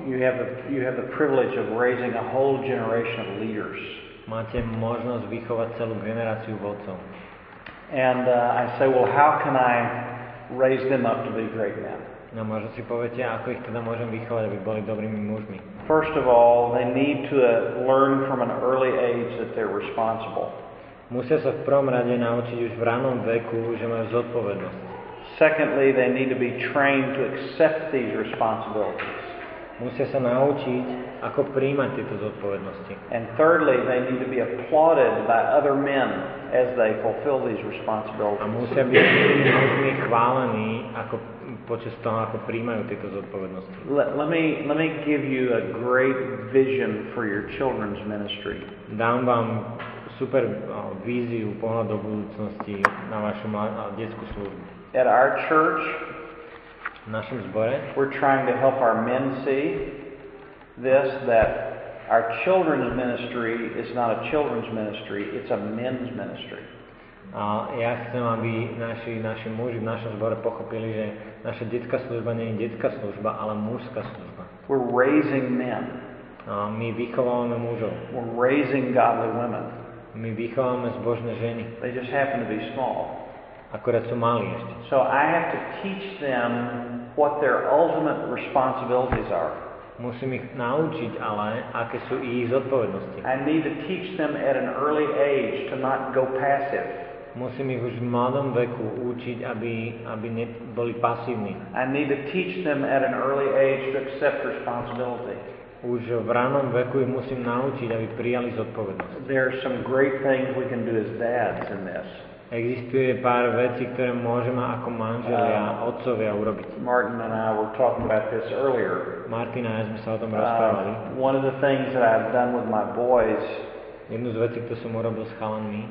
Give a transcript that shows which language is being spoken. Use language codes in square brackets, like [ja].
[en] You have the privilege of raising a whole generation of leaders. [sk] Máte možnosť vychovať celú generáciu vodcov. [en] And I say, well, how can I raise them up to be great men? [sk] No, možno si poviete, ako ich teda môžem vychovať, aby boli dobrými mužmi. [en] First of all, they need to learn from an early age that they're responsible. [sk] Musia sa v prvom rade naučiť už v ranom veku, že majú zodpovednosť. [en] Secondly, they need to be trained to accept these responsibilities. [sk] Musia sa naučiť, ako prijímať tieto zodpovednosti. [en] And thirdly, they need to be applauded by other men as they fulfill these responsibilities. [sk] A musia byť mužmi chválení ako počas toho, ako prijímajú tieto zodpovednosti. [en] Let me give you a great vision for your children's ministry. [sk] Dám vám super víziu, pohľad do budúcnosti na vašu detskú službu. [en] At our church, [sk] v našom zbore, [en] we're trying to help our men see this, that our children's ministry is not a children's ministry, it's a men's ministry. [sk] A ja chcem, aby naši muži v našom zbore pochopili, že naša detská služba nie je detská služba, ale mužská služba. [en] We're raising men. [sk] A my vychovávame mužov. [en] We're raising godly women. [sk] My vychovávame zbožné ženy. [en] They just happen to be small. [sk] Akurát sú malí ešte. [en] So I have to teach them what their ultimate responsibilities are. [sk] Musím ich naučiť, ale aké sú ich zodpovednosti. [en] I need to teach them at an early age to not go passive. [sk] Musím ich už v mladom veku učiť, aby neboli pasívni. [en] I need to teach them at an early age to accept responsibility. [sk] Už v ranom veku ich musím naučiť, aby prijali zodpovednosť. [en] There are some great things we can do as dads in this. [sk] Existuje pár vecí, ktoré môžeme ako manželia a otcovia urobiť. [en] Martin and I were talking about this earlier. [sk] Martin a ja sme sa o tom rozprávali. [en] One of the things that I've done with my boys, [sk] jednu z vecí, ktorú som urobil s chalanmi,